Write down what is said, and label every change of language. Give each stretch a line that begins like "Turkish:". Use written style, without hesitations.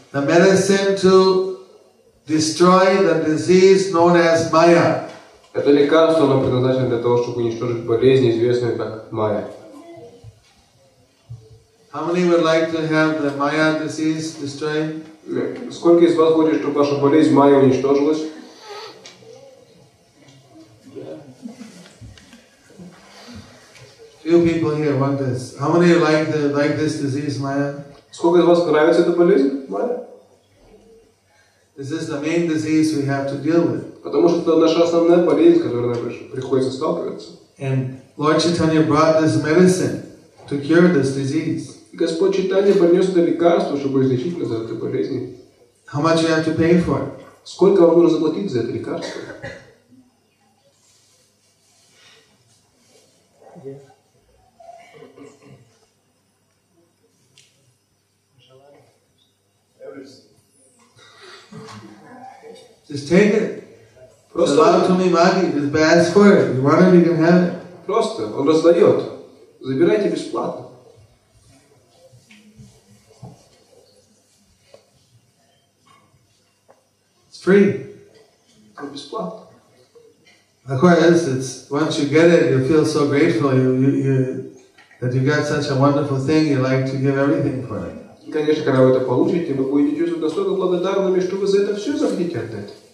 English: The medicine to destroy the disease known as Maya.
Russian: Это лекарство, оно предназначено для того, чтобы уничтожить болезнь, известную как Maya.
English: How many would like to have the Maya disease destroyed?
Russian: Сколько из вас хочет, чтобы ваша болезнь Maya уничтожилась?
English: Few people here want this. How many like this disease, Maya?
Russian: Сколько из вас нравится эта болезнь, Maya?
English: This is the main disease we have to deal with.
Russian: Потому что это наша основная болезнь, с которой нам приходится сталкиваться.
English: And Lord Chaitanya brought this medicine to cure this disease.
Russian: Господь Чайтанья принес это лекарство, чтобы излечить нас от этой болезни.
English: How much you have to pay for it?
Russian: Сколько вам нужно заплатить за это лекарство?
English: Yeah. Just take it.
Russian: Просто
English: allow to me money. Just ask for it. You want it, you can have it.
Russian: Просто. Он раздает. Забирайте бесплатно.
English: It's free.
Russian: Это бесплатно.
English: Of course, it's once you get it, you feel so grateful that you got such a wonderful thing. You like to give everything for it.
Russian: Конечно, когда вы это получите, вы будете чувствовать настолько благодарными, что вы за это все захотите отдать.